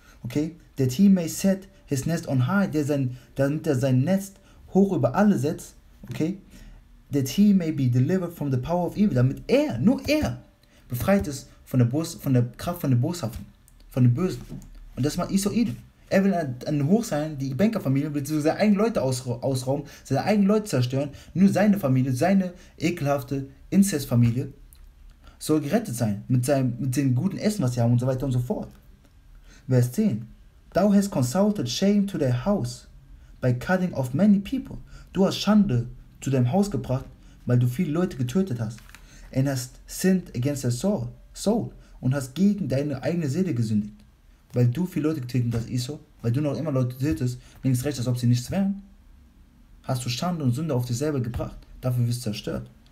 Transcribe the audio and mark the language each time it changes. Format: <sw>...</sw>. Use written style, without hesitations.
<de>Okay,</de> <en>that he may set his nest on high,</en> <de>damit er sein Nest hoch über alle setzt, okay,</de> <en>that he may be delivered from the power of evil,</en> <de>damit er, nur er, befreit ist von der Kraft von den Boshaften, von den Bösen. Und das macht Isoide. Er will an hoch sein, die Bankerfamilie will seine eigenen Leute ausrauben, seine eigenen Leute zerstören, nur seine Familie, seine ekelhafte Inzestfamilie soll gerettet sein, mit dem guten Essen, was sie haben und so weiter und so fort. Vers 10.</de> <en>Thou hast consulted shame to their house by cutting off many people.</en> <de>Du hast Schande zu deinem Haus gebracht, weil du viele Leute getötet hast.</de> <en>And hast sinned against their soul</en> <de>und hast gegen deine eigene Seele gesündigt. Weil du viele Leute getötet hast, Esau, weil du noch immer Leute tötest, links, rechts, als ob sie nichts wären, hast du Schande und Sünde auf dich selber gebracht. Dafür wirst du zerstört.</de>